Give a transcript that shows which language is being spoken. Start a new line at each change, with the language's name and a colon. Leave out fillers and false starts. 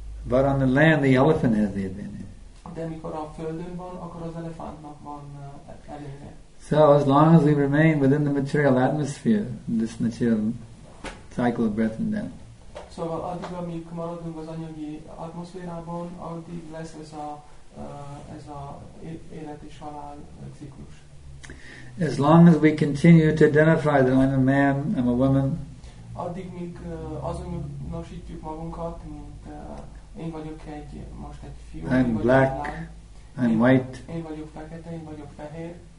English: But on the land, the elephant has the advantage.
Hungarian: De mikor a földön van, akkor az elefántnak van előnye.
English: So as long as we remain within the material atmosphere, this material cycle of breath and death.
Hungarian: Szóval addig, amíg maradunk az anyagi atmoszférában, addig lesz ez a élet és halál ciklus.
English: As long as we continue to identify that I'm a man, I'm a woman.
Hungarian: Addig, míg azonosítjuk magunkat, mint én vagyok egy, most egy fiú,
English: I'm black, I'm white.
Hungarian: Én vagyok fekete, én vagyok fehér.